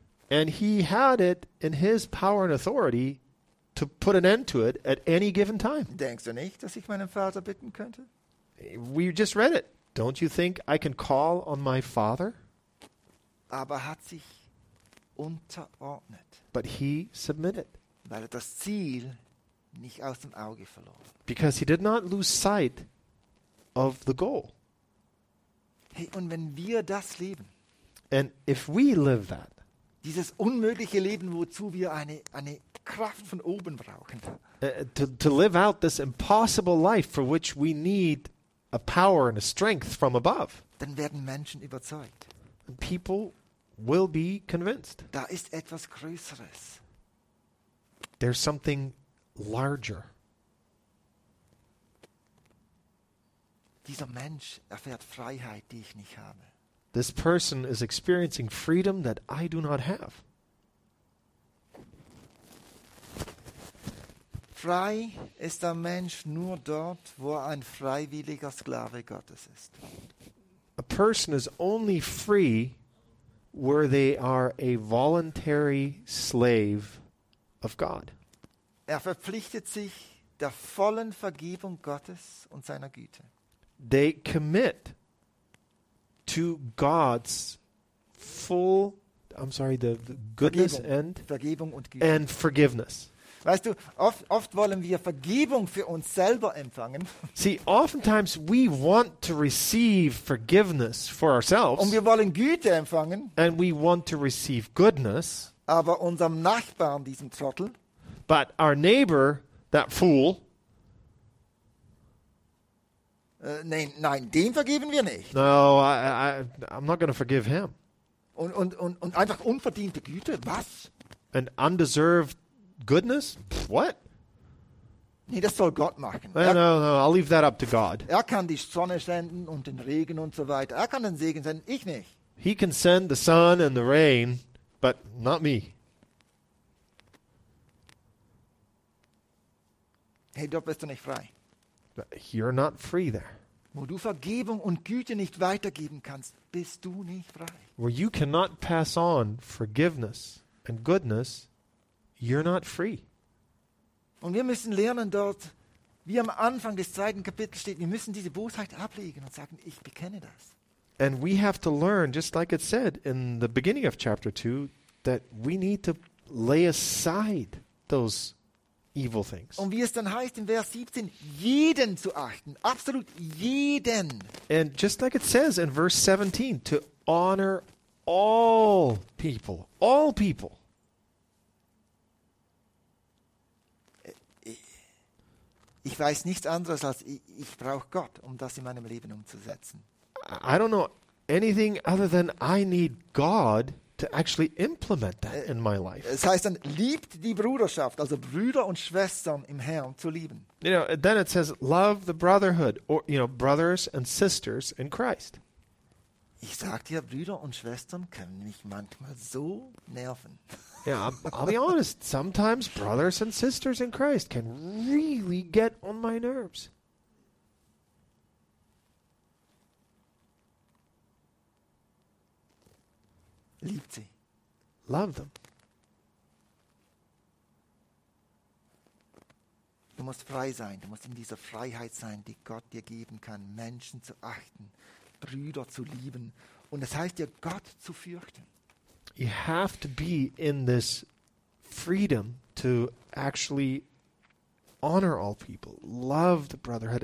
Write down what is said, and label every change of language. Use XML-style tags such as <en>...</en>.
<en>And he had it in his power and authority to put an end to it at any given time.</en> <de>Denkst du nicht, dass ich meinen Vater bitten könnte?</de> <en>We just read it. Don't you think I can call on my father?</en> <de>Aber hat sich unterordnet.</de> <en>But he submitted.</en> <de>Weil er das Ziel nicht aus dem Auge verlor.</de> <en>Because he did not lose sight of the goal.</en> <de>Hey, und wenn wir das leben.</de> <en>And if we live that.</en> <de>Dieses unmögliche Leben, wozu wir eine Kraft von oben brauchen.</de> <en>To live out this impossible life for which we need a power and a strength from above.</en> <de>Dann werden Menschen überzeugt.</de> <en>And people will be convinced.</en> <de>Da ist etwas Größeres.</de> <en>There's something larger.</en> <de>Dieser Mensch erfährt Freiheit, die ich nicht habe.</de> <en>This person is experiencing freedom that I do not have.</en> <de>Frei ist der Mensch nur dort, wo er ein freiwilliger Sklave Gottes ist.</de> <en>A person is only free where they are a voluntary slave of God.</en> <de>Er verpflichtet sich der vollen Vergebung Gottes und seiner Güte.</de> <en>They commit to God's full, I'm sorry, the goodness</en> <de>Vergebung.</de> <en>And</en> <de>Vergebung und Güte.</de> <en>And forgiveness.</en> <de>Weißt du, oft wollen wir Vergebung für uns selber empfangen.</de> <en>See, oftentimes we want to receive forgiveness for ourselves.</en> <de>Und wir wollen Güte empfangen.</de> <en>And we want to receive goodness.</en> <de>Aber unserem Nachbarn, diesem Trottel.</de> <en>But our neighbor, that fool.</en> <de>Nein, dem vergeben wir nicht.</de> <en>No, I'm not going to forgive him.</en> <de>Und einfach unverdiente Güte, was?</de> <en>An undeserved goodness? What?</en> <de>Nee, das soll Gott machen.</de> <en>No, I'll leave that up to God.</en> <de>Er kann die Sonne senden und den Regen und so weiter. Er kann den Segen senden, ich nicht.</de> <en>He can send the sun and the rain, but not me.</en> <de>Hey, dort bist du nicht frei.</de> <en>You're not free there.</en> <de>Wo du Vergebung und Güte nicht weitergeben kannst, bist du nicht frei.</de> <en>Where you cannot pass on forgiveness and goodness, you're not free.</en> <de>Und wir müssen lernen dort, wie am Anfang des zweiten Kapitels steht, wir müssen diese Bosheit ablegen und sagen, ich bekenne das.</de> <en>And we have to learn, just like it said in the beginning of chapter 2, that we need to lay aside those evil things.</en> <de>Und wie es dann heißt in Vers 17, jeden zu achten, absolut jeden.</de> <en>And just like it says in verse 17, to honor all people, all people.</en> <de>Ich weiß nichts anderes als ich brauche Gott, um das in meinem Leben umzusetzen.</de> <en>I don't know anything other than I need God to actually implement that in my life.</en> <de>Es heißt dann, liebt die Bruderschaft, also Brüder und Schwestern im Herrn zu lieben.</de> <en>You know, then it says, love the brotherhood, or, you know, brothers and sisters in Christ.</en> <de>Ich sag dir, Brüder und Schwestern können mich manchmal so nerven.</de> <en>Yeah, I'll be honest. Sometimes brothers and sisters in Christ can really get on my nerves.</en> <de>Liebt sie.</de> <en>Love them.</en> <de>Du musst frei sein. Du musst in dieser Freiheit sein, die Gott dir geben kann, Menschen zu achten, Brüder zu lieben. Und das heißt ja, Gott zu fürchten.</de> <en>You have to be in this freedom to actually honor all people, love the brotherhood.</en>